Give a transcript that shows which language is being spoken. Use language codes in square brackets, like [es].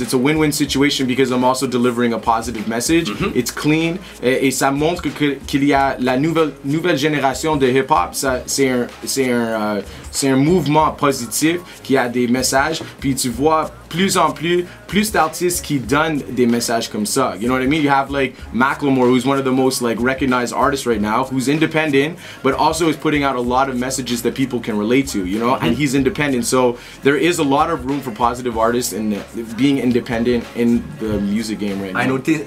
[en] It's a win-win situation because I'm also delivering a positive message. It's clean [fr] et ça montre qu'il y a la nouvelle génération de hip hop. C'est un mouvement positif qui a des messages. Puis tu vois plus en plus d'artistes qui donnent des messages comme ça. [en] You know what I mean? You have like Macklemore, who's one of the most like recognized artists right now, who's independent, but also is putting out a lot of messages that people can relate to, you know, and he's independent. So there is a lot of room for positive artists and being independent in the music game right now.